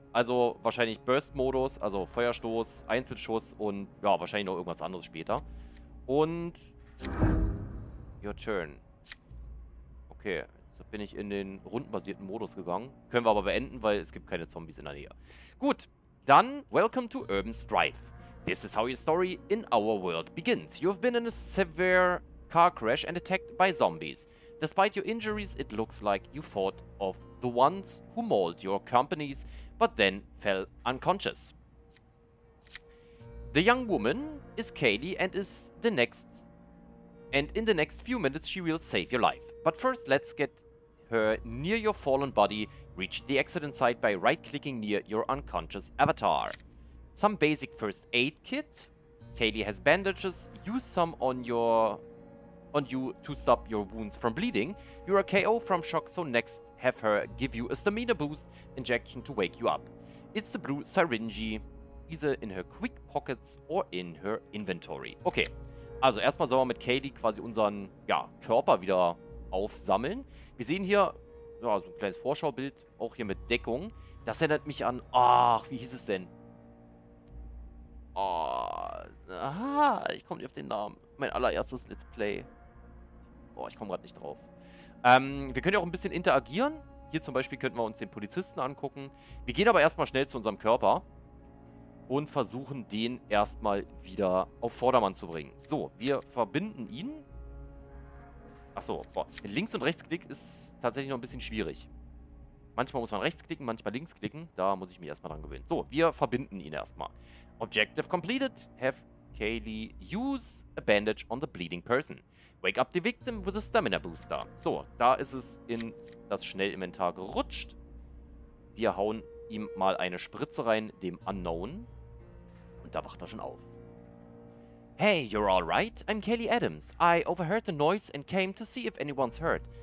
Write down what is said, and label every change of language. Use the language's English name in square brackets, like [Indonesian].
[German] Also wahrscheinlich Burst-Modus, also Feuerstoß, Einzelschuss und ja, wahrscheinlich noch irgendwas anderes später. [English] Und your turn. Okay. [German] Bin ich in den rundenbasierten Modus gegangen. Können wir aber beenden, weil es gibt keine Zombies in der Nähe. Gut, dann [English] welcome to [German] Urban Strife. [English] This is how your story in our world begins. You have been in a severe car crash and attacked by zombies. Despite your injuries, it looks like you fought off the ones who mauled your companies, but then fell unconscious. The young woman is Kaylee and is the next... And in the next few minutes she will save your life. But first let's get... her near your fallen body, reach the accident site by right-clicking near your unconscious avatar. Some basic first aid kit. Kaylee has bandages. Use some on you to stop your wounds from bleeding. You are KO from shock, so next have her give you a stamina boost injection to wake you up. It's the blue syringe, either in her quick pockets or in her inventory. [German] Okay, also erstmal sollen wir mit Kaylee quasi unseren Körper wieder aufsammeln. Wir sehen hier so ein kleines Vorschaubild, auch hier mit Deckung. Das erinnert mich an... Ach, wie hieß es denn? Oh, aha, ich komme nicht auf den Namen. Mein allererstes Let's Play. Boah, ich komme gerade nicht drauf. Wir können ja auch ein bisschen interagieren. Hier zum Beispiel könnten wir uns den Polizisten angucken. Wir gehen aber erstmal schnell zu unserem Körper und versuchen, den erstmal wieder auf Vordermann zu bringen. So, wir verbinden ihn. Achso, links- und rechtsklick ist tatsächlich noch ein bisschen schwierig. Manchmal muss man rechts klicken, manchmal links klicken. Da muss ich mich erstmal dran gewöhnen. So, wir verbinden ihn erstmal. [English] Objective completed. Have Kaylee use a bandage on the bleeding person. Wake up the victim with a stamina booster. [German] So, da ist es in das Schnellinventar gerutscht. Wir hauen ihm mal eine Spritze rein, dem Unknown. Und da wacht er schon auf. [English] Hey, you're all right? I'm Kaylee Adams. I overheard the noise and came to see if anyone's hurt.